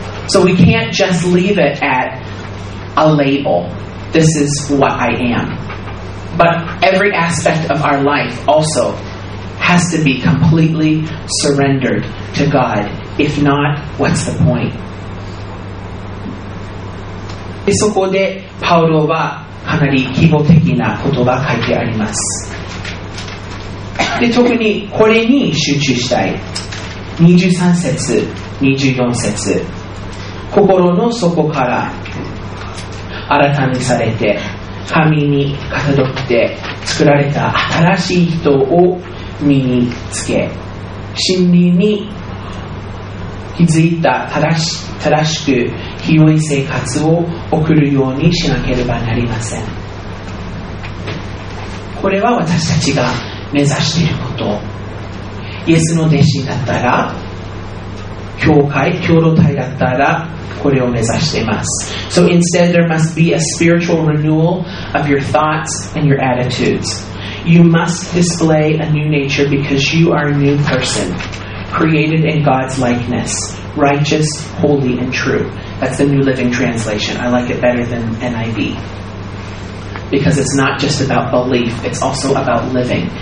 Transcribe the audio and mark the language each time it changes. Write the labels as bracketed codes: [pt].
[en] So we can't just leave it at a label. This is what I am. But every aspect of our life also has to be completely surrendered to God. If not, what's the point? [ja] でそこでパウロはかなり希望的な言葉を書いてあります。で特にこれに集中したい。23節、24節。心の底から新たにされて、神にかたどって作られた新しい人を身につけ、真理に気づいた正しく清い生活を送るようにしなければなりません。これは私たちが目指していること。イエスの弟子だったら、教会共同体だったらこれを目指しています。 [en] So instead there must be a spiritual renewal of your thoughts and your attitudes. You must display a new nature because you are a new person created in God's likeness, righteous, holy, and true. That's the New Living Translation. I like it better than NIV. Because it's not just about belief, it's also about living.